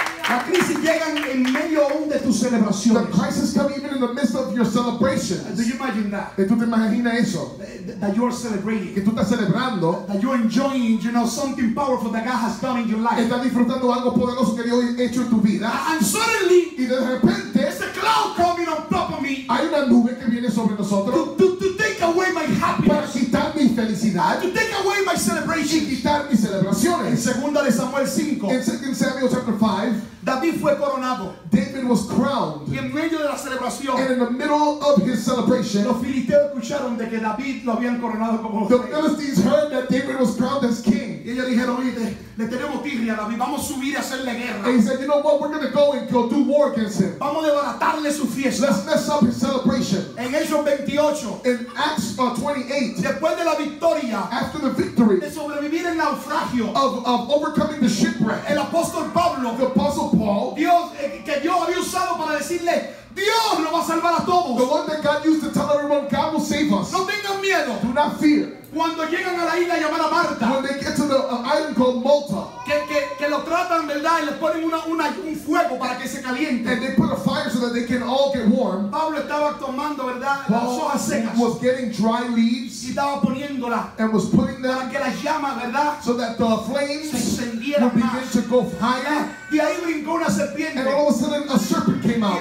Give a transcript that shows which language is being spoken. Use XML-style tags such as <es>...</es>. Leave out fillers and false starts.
<es>La crisis llega en medio aún de tus celebraciones.</es> <en>The crisis come even in the midst of your celebrations. Do you imagine that?</en> <es>¿Tú te imaginas eso?</es> <en>That you're celebrating.</en> <es>Que tú estás celebrando.</es> <en>That you're enjoying, you know, something powerful that God has done in your life.</en> <es>Estás disfrutando algo poderoso que Dios ha hecho en tu vida.</es> <en>And suddenly.</en> <es>Y de repente.</es> <en>There's a cloud coming on top of me.</en> <es>Hay una nube que viene sobre nosotros.</es> <en>To take away my happiness.</en> <es>Para quitar mi felicidad.</es> <en>To take away my celebration.</en> <es>Y quitar mis celebraciones. En 2 Samuel 5.</es> <en>In 2 Samuel chapter 5.</en> <es>David fue coronado.</es> <en>David was crowned.</en> <es>Y en medio de la celebración,</es> <en>and in the middle of his celebration,</en> <es>los filisteos escucharon de que David lo habían coronado como rey.</es> <en>The Philistines heard that David was crowned as king.</en> <es>Y ellos dijeron, oye, le tenemos tirria a David, vamos a subir a hacerle guerra.</es> <en>And he said, you know what, we're going to go and go do war against him.</en> <es>Vamos a desbaratarle su fiesta.</es> <en>Let's mess up his celebration.</en> <es>En Hechos 28,</es> <en>in Acts 28,</en> <es>después de la victoria,</es> <en>after the victory,</en> <es>de sobrevivir el naufragio,</es> <en>of overcoming the shipwreck,</en> <es>el apóstol Pablo,</es> <en>the apostle Paul,</en> <es>Dios, que Dios había usado para decirle, Dios lo va a salvar a todos.</es> <en>The one that God used to tell everyone, God will save us.</en> <es>No tengan miedo.</es> <en>Do not fear.</en> <es>Cuando llegan a la isla llamada Malta,</es> <en>when they get to the island called Malta,</en> <es>que lo tratan, verdad, y les ponen un fuego para que se caliente,</es> <en>and they put a fire so that they can all get warm.</en> <es>Pablo estaba tomando, verdad, las hojas secas,</es> <en>was getting dry leaves,</en> <es>y estaba poniéndola,</es> <en>and was putting them,</en> <es>para que las llamas, verdad,</es> <en>so that the flames</en> <es>se encendieran,</es> <en>would begin</en> <es>más</es> <en>to go higher.</en> <es>Y ahí brincó una serpiente,</es> <en>and all of a sudden a serpent came out,</en>